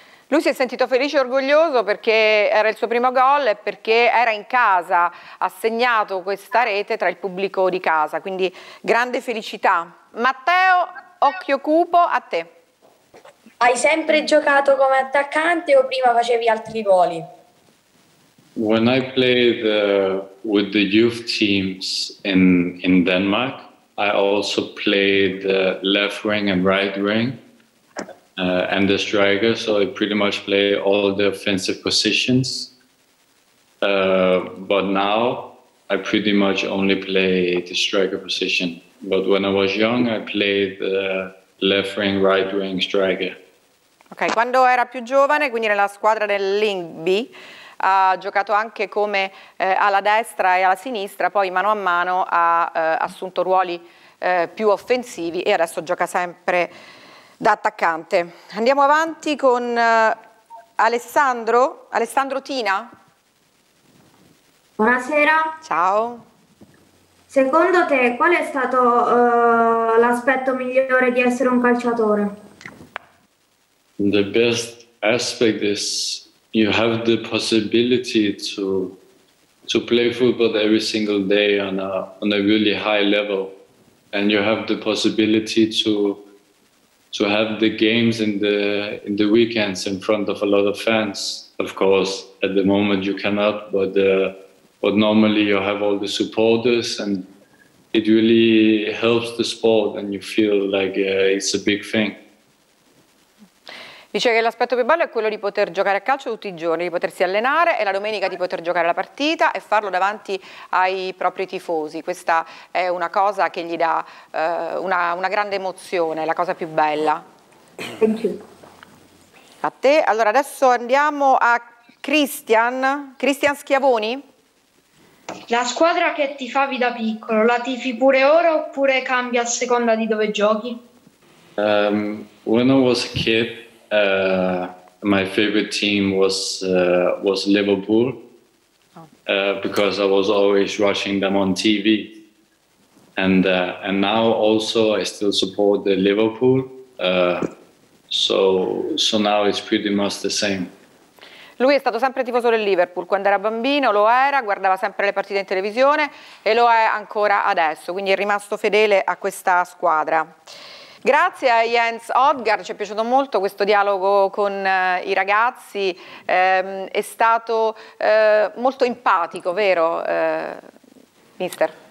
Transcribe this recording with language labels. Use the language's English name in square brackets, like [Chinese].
[Italian] Lui si è sentito felice e orgoglioso perché era il suo primo gol e perché era in casa, ha segnato questa rete tra il pubblico di casa, quindi grande felicità. Matteo Occhiocupo, a te. Hai sempre giocato come attaccante o prima facevi altri ruoli? [English] When I played with the youth teams in Denmark, I also played left wing and right wing and the striker, so I pretty much play all the offensive positions. But now I pretty much only play the striker position. But when I was young, I played left wing, right wing, striker. [Italian] Ok, quando era più giovane, quindi nella squadra del Lyngby, ha giocato anche come alla destra e alla sinistra, poi mano a mano ha assunto ruoli più offensivi e adesso gioca sempre da attaccante. Andiamo avanti con Alessandro Tina. Buonasera. Ciao. Secondo te qual è stato l'aspetto migliore di essere un calciatore? [English] The best aspect is you have the possibility to play football every single day on a really high level, and you have the possibility to to have the games in the weekends in front of a lot of fans. Of course, at the moment you cannot, but normally you have all the supporters, and it really helps the sport, and you feel like it's a big thing. [Italian] Dice che l'aspetto più bello è quello di poter giocare a calcio tutti i giorni, di potersi allenare e la domenica di poter giocare la partita e farlo davanti ai propri tifosi. Questa è una cosa che gli dà una grande emozione, la cosa più bella. [English] Thank you. [Italian] A te. Allora adesso andiamo a Christian. Christian Schiavoni. La squadra che tifavi da piccolo, la tifi pure ora oppure cambia a seconda di dove giochi? [English] When I was a kid, my favorite team was Liverpool, because I was always watching them on TV, and now also I still support the Liverpool, so now it's pretty much the same. [Italian] Lui è stato sempre tifoso del Liverpool quando era bambino, lo era, guardava sempre le partite in televisione e lo è ancora adesso, quindi è rimasto fedele a questa squadra. Grazie a Jens Odgaard, ci è piaciuto molto questo dialogo con i ragazzi, è stato molto empatico, vero mister?